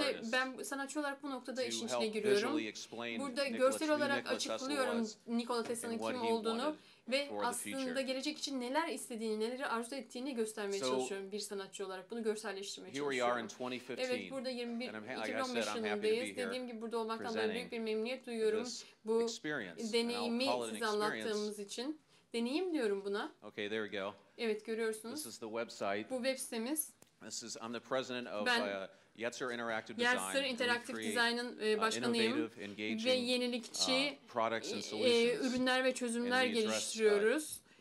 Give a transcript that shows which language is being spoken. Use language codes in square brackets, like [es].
[tr] İşte ben sanatçı olarak bu noktada işin içine giriyorum. Burada görsel olarak açıklıyorum Nikola Tesla'nın kim olduğunu ve aslında gelecek için neler istediğini, neleri arzu ettiğini göstermeye çalışıyorum bir sanatçı olarak. Bunu görselleştirmeye çalışıyorum. Evet, burada 2015 yılındayız. Dediğim gibi burada olmaktan ben büyük bir memnuniyet duyuyorum bu deneyimi size anlattığımız için. Deneyim diyorum buna. [en] Okay, there we go. [tr] Evet, görüyorsunuz. [en] This is the website. [tr] Bu web sitemiz. [en] This is I'm the president of Yetzer Interactive Design. [tr] Yetzer Interactive Design'ın başkanıyım ve yenilikçi ürünler ve çözümler geliştiriyoruz.